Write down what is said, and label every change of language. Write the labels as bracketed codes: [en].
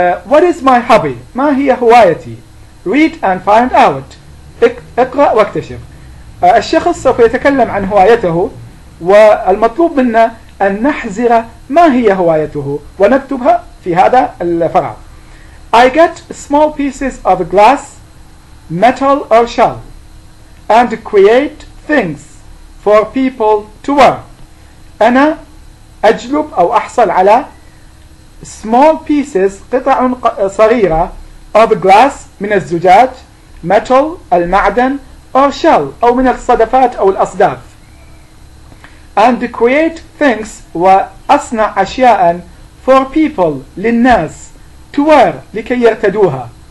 [en] What is my hobby؟ [ar] ما هي هوايتي؟ [en] Read and find out، [ar] اقرأ واكتشف. الشخص سوف يتكلم عن هوايته، والمطلوب منا أن نحزر ما هي هوايته ونكتبها في هذا الفراغ. [en] I get small pieces of glass, metal or shell and create things for people to wear. [ar] أنا أجلب أو أحصل على [en] small pieces، [ar] قطع صغيرة، [en] of glass، [ar] من الزجاج، [en] metal [ar] المعدن، [en] or shell [ar] أو من الصدفات أو الأصداف، [en] and create things، [ar] وأصنع أشياء، [en] for people، [ar] للناس، [en] to wear، [ar] لكي يرتدوها.